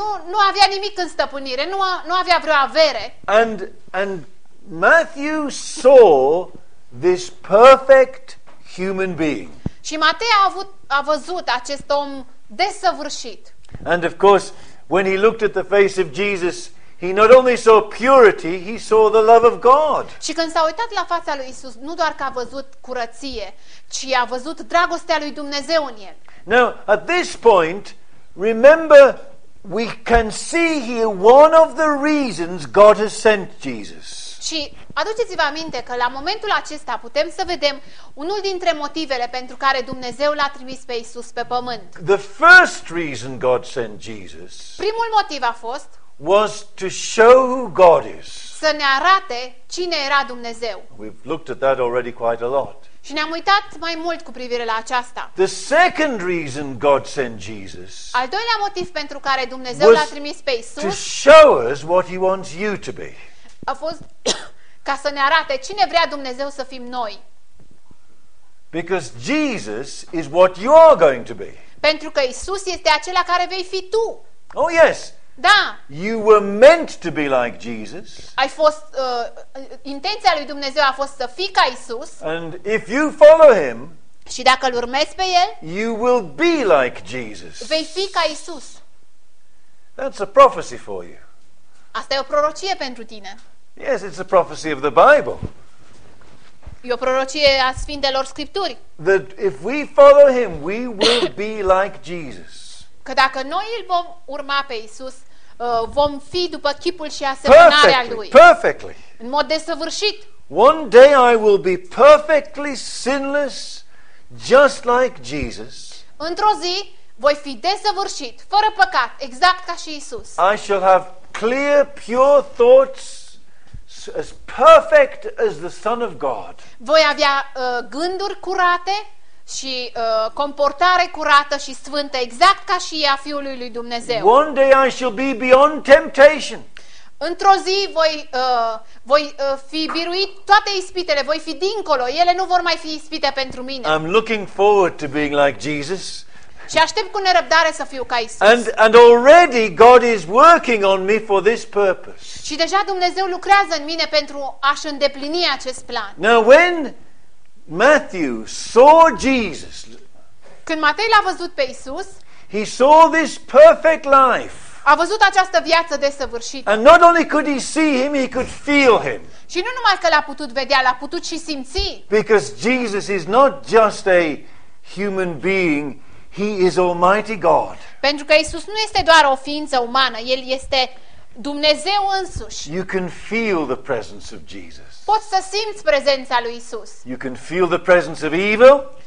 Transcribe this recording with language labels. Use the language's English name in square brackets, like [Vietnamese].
[Romanian] nu avea nimic în stăpânire, nu avea vreo avere. [English] And Matthew saw this perfect human being. [Romanian] Și Matei a văzut acest om desăvârșit. [English] And of course, when he looked at the face of Jesus, he not only saw purity, he saw the love of God. [Romanian] Și când s-a uitat la fața lui Isus, nu doar că a văzut curăție, ci a văzut dragostea lui Dumnezeu în el. [English] Now, at this point, remember, we can see here one of the reasons God has sent Jesus. [Romanian] Și aduceți-vă aminte că la momentul acesta putem să vedem unul dintre motivele pentru care Dumnezeu l-a trimis pe Isus pe pământ. [English] The first reason God sent Jesus. [Romanian] Primul motiv a fost [English] was to show who God is. [Romanian] Să ne arate cine era Dumnezeu. [English] We've looked at that already quite a lot. [Romanian] Și ne-am uitat mai mult cu privire la aceasta. [English] The second reason God sent Jesus. [Romanian] Al doilea motiv pentru care Dumnezeu l-a trimis pe Isus. [English] To show us what he wants you to be. [Romanian] A fost ca să ne arate cine vrea Dumnezeu să fim noi. [English] Because Jesus is what you are going to be. [Romanian] Pentru că Isus este acela care vei fi tu. [English] Oh yes. [Romanian] Da. [English] You were meant to be like Jesus. [Romanian] Ai fost intenția lui Dumnezeu a fost să fii ca Isus. [English] And if you follow him, [Romanian] și dacă îl urmezi pe el, [English] you will be like Jesus. [Romanian] Vei fi ca Isus. [English] That's a prophecy for you. [Romanian] Asta e o prorocie pentru tine. [English] Yes, it's a prophecy of the Bible. [Romanian] E o prorocie a Sfintelor Scripturi. [English] That if we follow him, we will be like Jesus. [Romanian] Că dacă noi îl vom urma pe Isus, vom fi după chipul și asemănarea lui. [English] Perfectly. [Romanian] În mod desăvârșit. [English] One day I will be perfectly sinless, just like Jesus. [Romanian] Într-o zi voi fi desăvârșit, fără păcat, exact ca și Isus. [English] I shall have clear, pure thoughts, as perfect as the Son of God. [Romanian] Voi avea gânduri curate și comportare curată și sfântă, exact ca și a Fiului lui Dumnezeu. [English] One day I shall be beyond temptation. [Romanian] Într-o zi voi fi biruit toate ispitele, voi fi dincolo, ele nu vor mai fi ispite pentru mine. [English] I'm looking forward to being like Jesus. [Romanian] Și aștept cu nerăbdare să fiu ca Isus. [English] And already God is working on me for this purpose. [Romanian] Și deja Dumnezeu lucrează în mine pentru a-și îndeplini acest plan. [English] Now when Matthew saw Jesus, [Romanian] când Matei l-a văzut pe Isus, [English] he saw this perfect life. [Romanian] A văzut această viață desăvârșită. [English] And not only could he see him, he could feel him. [Romanian] Și nu numai că l-a putut vedea, l-a putut și simți. [English] Because Jesus is not just a human being, he is Almighty God. [Romanian] Pentru că Isus nu este doar o ființă umană, el este Dumnezeu însuși. [English] You can feel the presence of Jesus. [Romanian] Poți să simți prezența lui Isus. [English] You can feel the presence of evil.